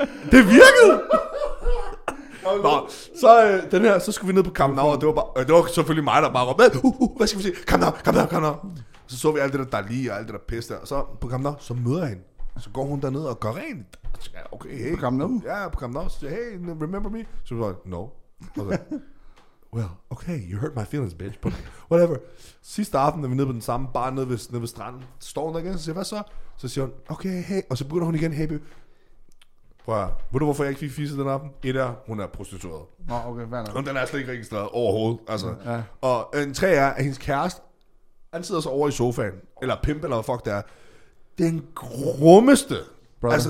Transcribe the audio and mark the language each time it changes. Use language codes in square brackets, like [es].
[da] Det virkede. Okay. Nå, så skulle vi ned på Camp Nou, og det var selvfølgelig mig, der bare råbte, hvad skal vi sige, Camp Nou. Så vi alt det der Dali og alt det der pis der, og så på Camp Nou, så møder jeg hende. Så går hun derned og går rent. Ja, okay, hey. På Camp Nou? Ja, på Camp Nou. Så siger, [en] hey, remember me? [da] Så vi sagde, no. Og så, [en] well, okay, you hurt my feelings, bitch, but whatever. [da] Sidste aften, da vi nede på den samme bar nede ved stranden, står hun der igen, så siger, hvad så? Så siger hun, okay, hey, og så begynder hun igen, [en] hey, baby. [da] Prøv at høre, ved du hvorfor jeg ikke fik fisse den aften? Et er, hun er prostitueret. Nå, okay, hvad er det? Hun den er slet ikke registreret overhovedet, altså. Ja. Og en tre er, at hendes kæreste, han sidder så over i sofaen, eller pimp, eller hvad fuck det er, den grummeste, brother.